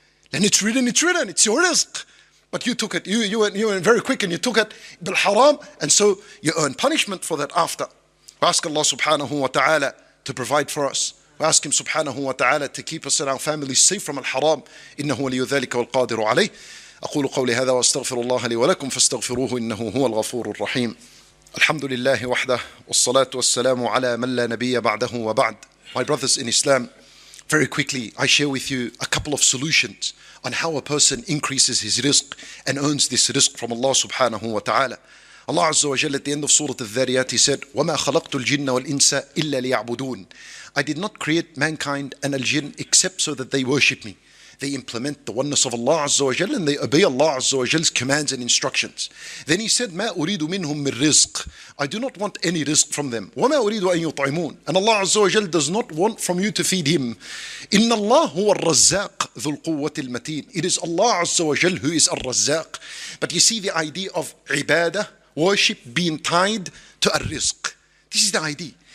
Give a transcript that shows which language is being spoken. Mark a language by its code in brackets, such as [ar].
[en] Then it's written, it's written, it's your rizq. But you took it, you went very quick and you took it bil haram, and so you earn punishment for that after. We ask Allah subhanahu wa ta'ala to provide for us. We ask him subhanahu wa ta'ala to keep us and our families safe from al-haram. [ar] Innahu waliyu thalika wal qadiru alayh. أقول قولي هذا وأستغفر الله لي ولكم فاستغفروه إنه هو الغفور الرحيم. الحمد لله وحده والصلاة والسلام على من لا نبي بعده وبعد. [en] My brothers in Islam, very quickly I share with you a couple of solutions on how a person increases his rizq and earns this rizq from Allah subhanahu wa ta'ala. Allah Azza wa Jalla at the end of Surah Al-Dhariyat, he said, [ar] وَمَا خَلَقْتُ الْجِنَّ وَالْإِنسَ إِلَّا لِيَعْبُدُونَ. [en] I did not create mankind and al-jinn except so that they worship me. They implement the oneness of Allah Azza wa Jal and they obey Allah Azza wa Jal's commands and instructions. Then he said, [ar] مَا أُرِيدُ مِنْهُمْ مِنْ رِزْقِ. [en] I do not want any rizq from them. [ar] وَمَا أُرِيدُ أَنْ يُطْعِمُونَ. [en] And Allah Azza wa Jal does not want from you to feed him. [ar] إِنَّ اللَّهُ هُوَ الرَّزَّاقُ ذُو الْقُوَّةِ الْمَتِينَ. [en] It is Allah Azza wa Jal who is الرَّزَّاقُ. But you see the idea of ibadah, worship being tied to a rizq. This is the idea.